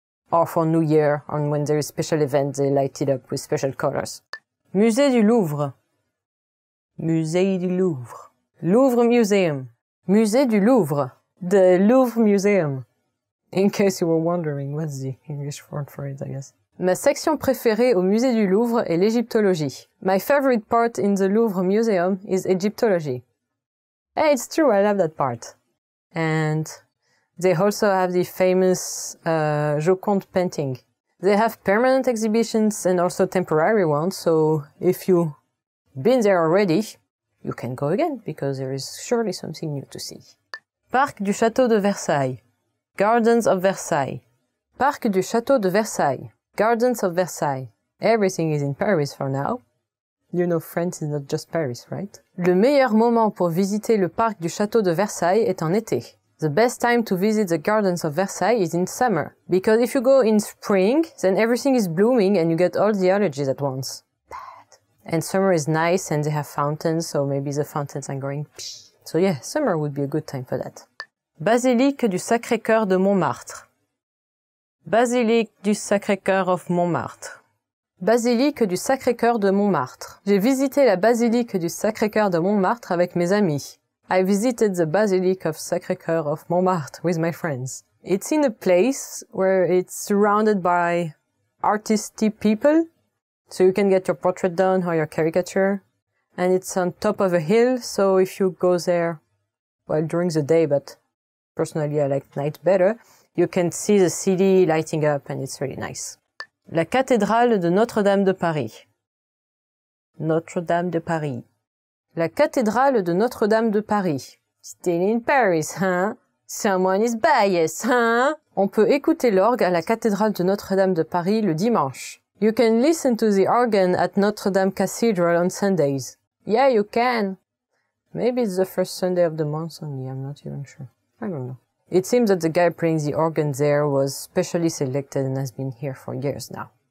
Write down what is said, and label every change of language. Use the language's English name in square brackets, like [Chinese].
[English] Or for New Year, and when there is special event, they light it up with special colors. [French] Musée du Louvre. Musée du Louvre. [English] Louvre Museum. Musée du Louvre. The Louvre Museum. In case you were wondering, what's the English word for it, I guess. [French] Ma section préférée au Musée du Louvre est l'égyptologie. [English] My favorite part in the Louvre Museum is Egyptology. Hey, it's true, I love that part. And They also have the famous Joconde painting. They have permanent exhibitions and also temporary ones, so if you've been there already, you can go again, because there is surely something new to see. [French] Parc du Château de Versailles. [English] Gardens of Versailles. [French] Parc du Château de Versailles. [English] Gardens of Versailles. Everything is in Paris for now. You know, France is not just Paris, right? [French] Le meilleur moment pour visiter le parc du Château de Versailles est en été. [English] The best time to visit the gardens of Versailles is in summer. Because if you go in spring, then everything is blooming and you get all the allergies at once. Bad. And summer is nice and they have fountains, so maybe the fountains are going pshh. So yeah, summer would be a good time for that. [French] Basilique du Sacré-Cœur de Montmartre. Basilique du Sacré-Cœur of Montmartre. Basilique du Sacré-Cœur de Montmartre. J'ai visité la basilique du Sacré-Cœur de Montmartre avec mes amis. [English] I visited the Basilique of Sacré-Cœur of Montmartre with my friends. It's in a place where it's surrounded by artisty people, so you can get your portrait done or your caricature. And it's on top of a hill, so if you go there, well, during the day, but personally I like night better, you can see the city lighting up and it's really nice. [French] La cathédrale de Notre-Dame de Paris. Notre-Dame de Paris. La cathédrale de Notre-Dame de Paris. [English] Still in Paris, [French] hein? [English] Someone is biased, hein? [French] On peut écouter l'orgue à la cathédrale de Notre-Dame de Paris le dimanche. [English] You can listen to the organ at Notre-Dame Cathedral on Sundays. Yeah, you can. Maybe it's the first Sunday of the month only, I'm not even sure. I don't know. It seems that the guy playing the organ there was specially selected and has been here for years now.